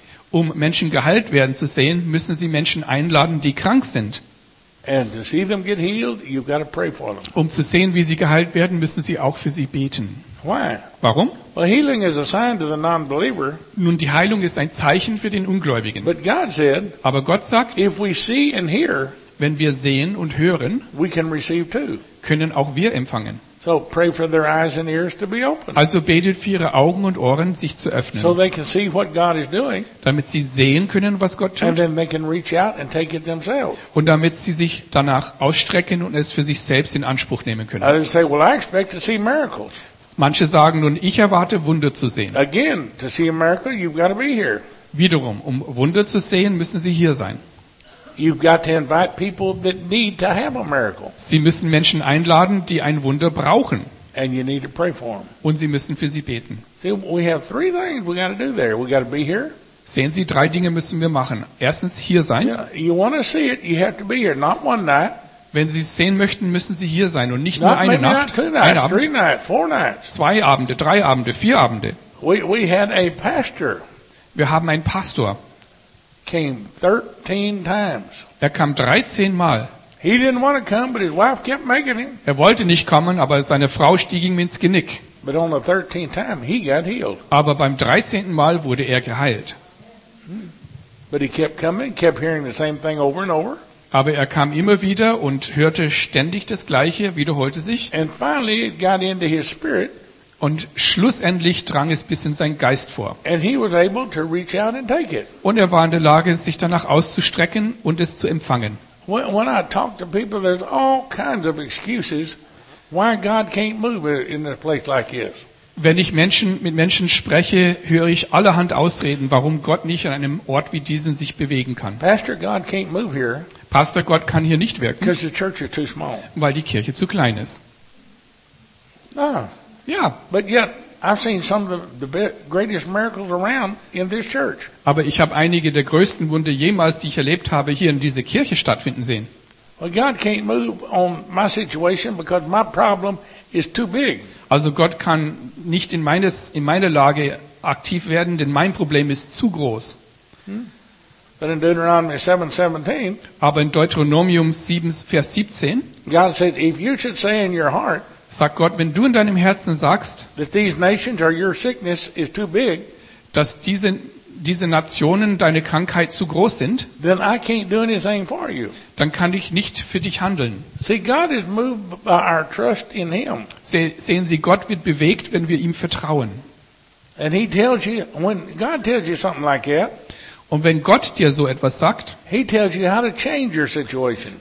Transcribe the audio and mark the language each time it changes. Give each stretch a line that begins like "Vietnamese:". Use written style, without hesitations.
German: Um Menschen geheilt werden zu sehen, müssen sie Menschen einladen, die krank sind.
English: And to see them get healed, you've got to pray for them.
German: Um zu sehen, wie sie geheilt werden, müssen sie auch für sie beten.
English: Why?
German: Warum?
English: Well, healing is a sign to the non-believer.
German: Nun, die Heilung ist ein Zeichen für den Ungläubigen.
English: But God said,
German: aber Gott sagt,
English: if we see and hear,
German: wenn wir sehen und hören,
English: we can receive too.
German: Können auch wir empfangen.
English: So pray for their eyes and ears to be open.
German: Also betet für ihre Augen und Ohren, sich zu öffnen.
English: So they can see what God is doing.
German: Damit sie sehen können, was Gott tut.
English: And then they can reach out and take it themselves.
German: Und damit sie sich danach ausstrecken und es für sich selbst in Anspruch nehmen können.
English: Others say, well, I expect to see miracles.
German: Manche sagen nun, ich erwarte Wunder zu sehen.
English: Again, to see a miracle, you've got to be here.
German: Wiederum, um Wunder zu sehen, müssen sie hier sein.
English: You've got to invite people that need to have a miracle.
German: Sie müssen Menschen einladen, die ein Wunder brauchen.
English: And you need to pray for them.
German: Und sie müssen für sie beten.
English: See, we have three things we got to do there. We got to be here.
German: Sehen Sie, drei Dinge müssen wir machen. Erstens hier sein. Yeah,
English: you want to see it, you have to be here, not one night.
German: Wenn Sie es sehen möchten, müssen Sie hier sein und nicht nur eine Nacht, ein Abend, zwei Abende, drei Abende, vier Abende.
English: We had a pastor.
German: Wir haben einen Pastor.
English: Came 13 times.
German: Er kam 13 Mal.
English: He didn't want to come, but his wife kept making him.
German: Er wollte nicht kommen, aber seine Frau stieg ihm ins Genick.
English: But on the 13th time, he got healed.
German: Aber beim 13. Mal wurde er geheilt.
English: But he kept coming, kept hearing the same thing over and over.
German: Aber er kam immer wieder und hörte ständig das Gleiche, wiederholte sich.
English: And finally it got into his spirit.
German: Und schlussendlich drang es bis in seinen Geist vor.
English: And he was able to reach out and take it.
German: Und er war in der Lage, sich danach auszustrecken und es zu empfangen.
English: When I talk to people, there's all kinds of excuses why God can't move in a place like this.
German: Wenn ich mit Menschen spreche, höre ich allerhand Ausreden, warum Gott nicht an einem Ort wie diesen sich bewegen kann.
English: Pastor, God can't move here.
German: Pastor, Gott kann hier nicht wirken,
English: because the church is too small.
German: Weil die Kirche zu klein ist. Ah. Ja.
English: But yet, I've seen some of the greatest miracles around in this church.
German: Aber ich habe einige der größten Wunder jemals, die ich erlebt habe, hier in dieser Kirche stattfinden sehen.
English: Well, God can't move on my situation because my problem is too big.
German: Also Gott kann nicht in meiner Lage aktiv werden, denn mein Problem ist zu groß.
English: But in Deuteronomy 7:17,
German: aber in Deuteronomium 7, Vers 17,
English: God said, if you should say in your heart,
German: sagt Gott, wenn du in deinem Herzen sagst,
English: that these nations or your sickness is too big,
German: dass diese Nationen deine Krankheit zu groß sind,
English: then I can't do anything for you.
German: Dann kann ich nicht für dich handeln.
English: See, God is moved by our trust in him.
German: Sehen Sie, Gott wird bewegt, wenn wir ihm vertrauen.
English: And he tells you, when God tells you something like that,
German: und wenn Gott dir so etwas sagt,
English: he tells you how to change your situation.